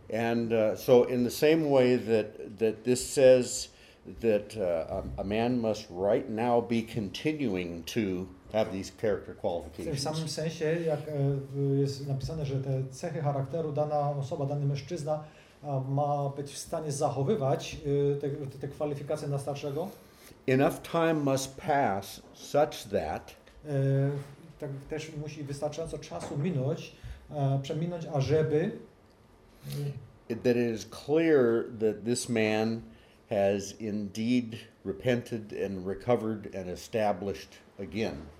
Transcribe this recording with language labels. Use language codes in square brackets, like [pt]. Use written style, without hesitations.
[en] And so in the same way that this says that a man must right now be continuing to have these character qualifications. [pl] W tym samym sensie, jak jest napisane, że te cechy charakteru dana osoba, dany mężczyzna ma być w stanie zachowywać te kwalifikacje na starszego. [en] Enough time must pass such that [pl] tak też musi wystarczająco czasu minąć, przeminąć, ażeby [en] that it is clear that this man has indeed repented and recovered and established again.